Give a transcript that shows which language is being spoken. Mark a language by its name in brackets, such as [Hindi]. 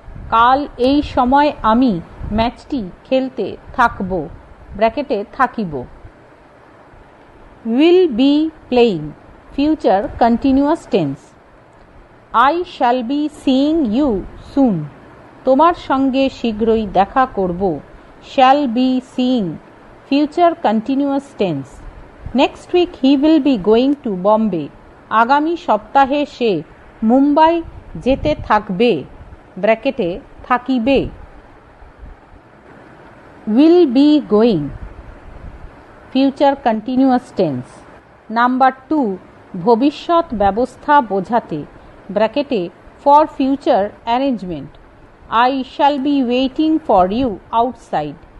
[Bangla] কাল এই সময় আমি ম্যাচটি খেলতে থাকব. ব্র্যাকেটে থাকিব. [English] Will be playing future continuous tense. I shall be seeing you soon, [Bangla] তোমার সঙ্গে শীঘ্রই দেখা করব. [English] Shall be seeing, future continuous tense. Next week he will be going to Bombay. [Bangla] Agami shoptahe she Mumbai যেতে থাকবে ব্র্যাকেটে থাকিবে [English] will be going future continuous tense [Bangla] number two ভবিষ্যৎ ব্যবস্থা বোঝাতে ব্র্যাকেটে [English] for future arrangement I shall be waiting for you outside